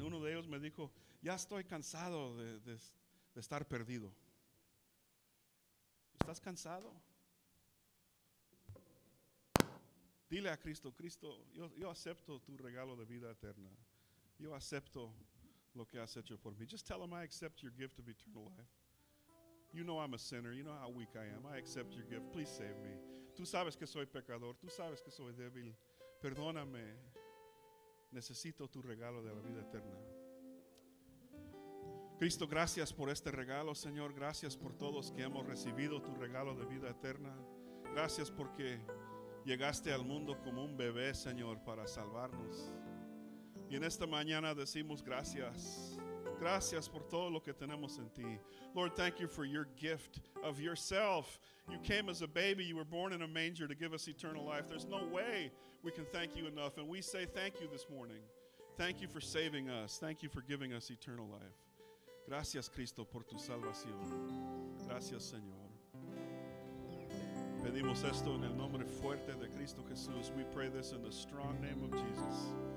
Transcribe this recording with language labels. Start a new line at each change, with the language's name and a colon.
Spanish: Uno de ellos me dijo, ya estoy cansado de estar perdido. ¿Estás cansado? Dile a Cristo, Cristo, yo acepto tu regalo de vida eterna. Yo acepto lo que has hecho por mí.
English: Just tell him, I accept your gift of eternal life. You know I'm a sinner. You know how weak I am. I accept your gift. Please save me.
Spanish: Tú sabes que soy pecador. Tú sabes que soy débil. Perdóname, necesito tu regalo de la vida eterna. Cristo, gracias por este regalo, Señor. Gracias por todos que hemos recibido tu regalo de vida eterna. Gracias porque llegaste al mundo como un bebé, Señor, para salvarnos. Y en esta mañana decimos gracias. Gracias por todo lo que tenemos en ti.
English: Lord, thank you for your gift of yourself. You came as a baby. You were born in a manger to give us eternal life. There's no way we can thank you enough. And we say thank you this morning. Thank you for saving us. Thank you for giving us eternal life.
Spanish: Gracias, Cristo, por tu salvación. Gracias, Señor. Pedimos esto en el nombre fuerte de Cristo Jesús.
English: We pray this in the strong name of Jesus.